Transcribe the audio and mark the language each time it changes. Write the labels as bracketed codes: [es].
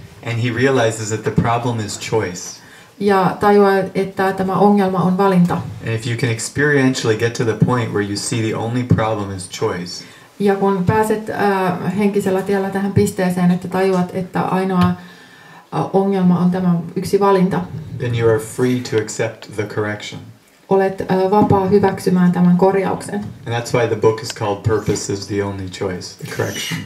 [en] And he realizes that the problem is choice. [fi] Ja tajuaa, että tämä ongelma on valinta. [en] And if you can experientially get to the point where you see the only problem is choice. [fi] Ja kun pääset henkisellä tiellä tähän pisteeseen, että tajuat, että ainoa ongelma on tämä yksi valinta. [en] Then you are free to accept the correction. [fi] Olet vapaa hyväksymään tämän korjauksen. [en] And that's why the book is called Purpose is the Only Choice, the correction.